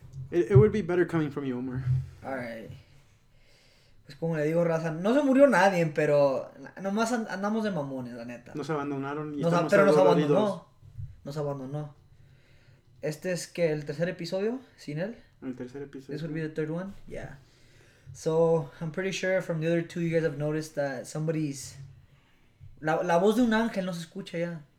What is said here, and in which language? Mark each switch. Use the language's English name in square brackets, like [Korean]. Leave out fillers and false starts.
[English] It would be better coming from you, Omar. Alright. [Spanish] Pues como le digo, raza, no se murió nadie, pero... Nomás andamos de mamones, la neta. Nos abandonaron y Nos abandonó. Este es, que ¿el tercer episodio? ¿Sin él? El tercer episodio. [English] This would be the third one. Yeah. So, I'm pretty sure from the other two you guys have noticed that somebody's... [Spanish] La voz de un ángel no se escucha ya.